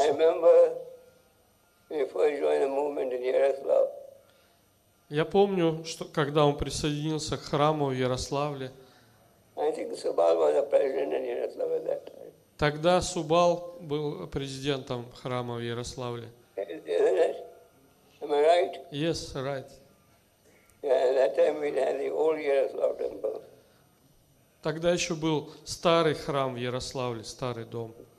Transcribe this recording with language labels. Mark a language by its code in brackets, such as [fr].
[en] I remember before he joined the movement in Yaroslav. [ru] Я помню, что когда он присоединился к храму в Ярославле. [en] I think Subal was a president in Yaroslav at that time. [ru] Тогда Субал был президентом храма в Ярославле. [en] Am I right? Yes, right. Yeah, at that time we had the old Yaroslav temple. [ru] Тогда еще был старый храм в Ярославле, старый дом.